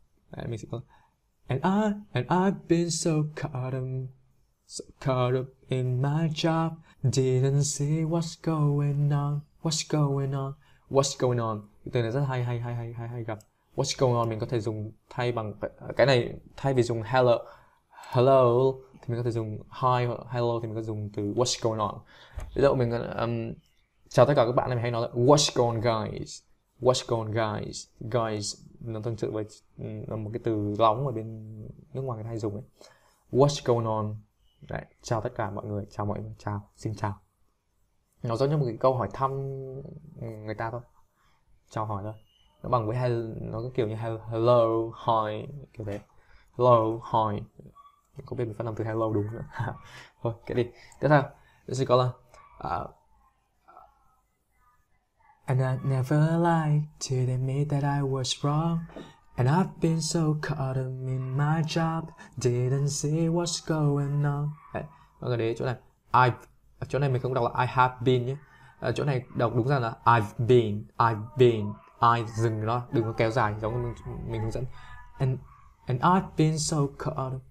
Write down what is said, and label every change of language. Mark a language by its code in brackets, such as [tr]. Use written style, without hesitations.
[vi] Đấy, mình sẽ có [en] And I've been so caught up. So caught up in my job, didn't see what's going on. What's going on? What's going on? [vi] Từ này rất hay gặp. [en] What's going on? [vi] Mình có thể dùng thay bằng cái này, thay vì dùng hello, hello thì mình có thể dùng hi hoặc hello thì mình có thể dùng từ what's going on. Ví dụ mình chào tất cả các bạn này, mình hay nói là [en] what's going on guys? What's going on guys? [vi] Guys nó tương tự với một cái từ lóng ở bên nước ngoài người ta hay dùng ấy. What's going on? Đấy, chào tất cả mọi người, chào mọi người, chào, xin chào. Nó giống như một cái câu hỏi thăm người ta thôi. Chào hỏi thôi. Nó bằng với hello, nó có kiểu như hello, hi, kiểu thế. Hello, hi. Mình có biết mình phát âm từ hello đúng nữa. Thôi, kệ đi. Tiếp theo, sẽ có là [en] And I never liked to admit that I was wrong. And I've been so caught up in my job, didn't see what's going on. [vi] Đấy, mọi người để ý chỗ này. Chỗ này mình không đọc là I have been nhé. Chỗ này đọc đúng ra là I've been. I dừng nó, đừng có kéo dài giống như mình hướng dẫn. [en] And I've been so caught up.